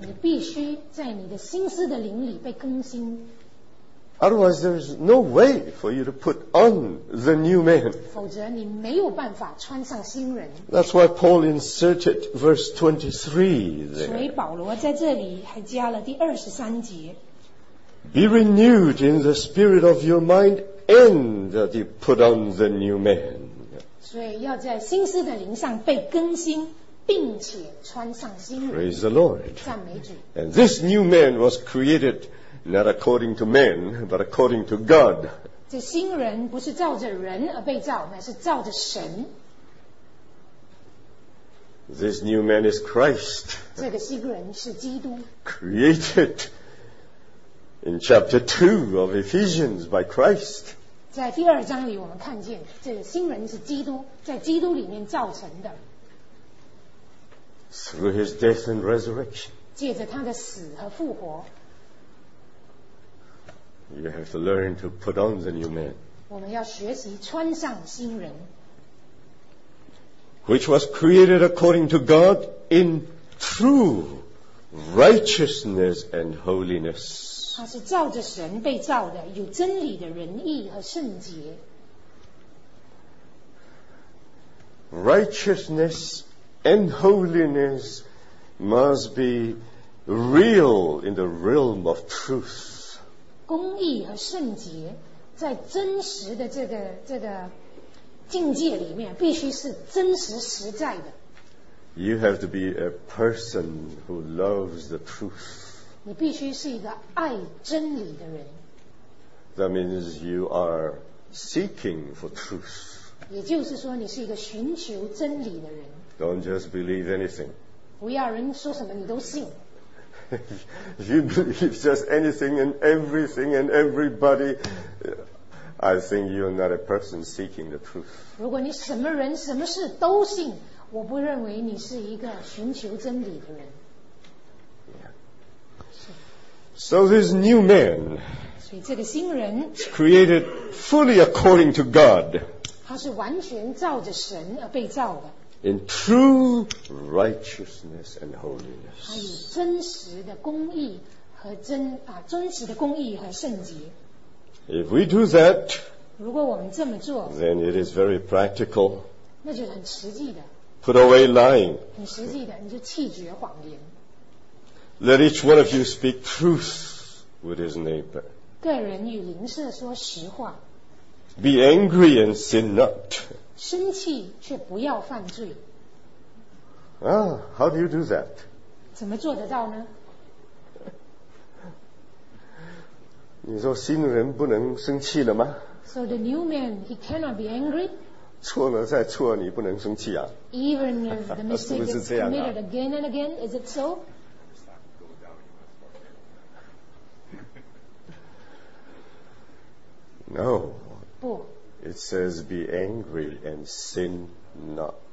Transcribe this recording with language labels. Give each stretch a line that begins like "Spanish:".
Chinese: 你必须在你的心思的灵里被更新
English: Otherwise there is no way for you to put on the new man
Chinese: 否则你没有办法穿上新人
English: That's why Paul inserted verse 23 there
Chinese: 所以保罗在这里还加了第二十三节
English: Be renewed in the spirit of your mind and that you put on the new man
Chinese: 所以要在心思的灵上被更新并且穿上新人
English: Praise the Lord
Chinese: 赞美主
English: And this new man was created not according to men but according to God
Chinese: 这新人不是照着人而被造乃是照着神
English: This new man is Christ
Chinese: 这个新人是基督
English: created in chapter 2 of Ephesians by Christ
Chinese: 在第二章里我们看见这个新人是基督在基督里面造成的
English: through his death and resurrection
Chinese: 借着他的死和复活
English: You have to learn to put on the new man.
Chinese: 我们要学习穿上新人。
English: Which was created according to God in true righteousness and holiness.
Chinese: 它是照着神被造的，有真理的仁义和圣洁。
English: Righteousness and holiness must be real in the realm of truth.
Chinese: 公义和圣洁在真实的这个境界里面必须是真实实在的
English: You have to be a person who loves the truth
Chinese: 你必须是一个爱真理的人
English: That means you are seeking for truth
Chinese: 也就是说你是一个寻求真理的人
English: Don't just believe anything
Chinese: 不要人说什么你都信
English: If you believe just anything and everything and everybody, I think you are not a person seeking the truth.
Chinese: 如果你什么人什么事都信，我不认为你是一个寻求真理的人。
English: So this new man,
Chinese: 所以这个新人
English: created fully according to God.
Chinese: 他是完全照着神而被造的。
English: In true righteousness and holiness.
Chinese: 他有真实的公义和真实的公义和圣洁。
English: If we do that,
Chinese: 如果我们这么做
English: then it is very practical.
Chinese: 那就是很实际的。
English: Put away lying.
Chinese: 很实际的，你就弃绝谎言。
English: Let each one of you speak truth with his neighbor.
Chinese: 个人与邻舍说实话。
English: Be angry and sin not.
Chinese: 生气却不要犯罪。
English: How do you do that?
Chinese: 怎么做得到呢？你说新人不能生气了吗？
English: So the new man, he cannot be angry.
Chinese: 错了再错，你不能生气啊？
English: Even if the mistake is committed again and again, is it so? 、no.
Chinese: 不。
English: It says, be angry and sin not.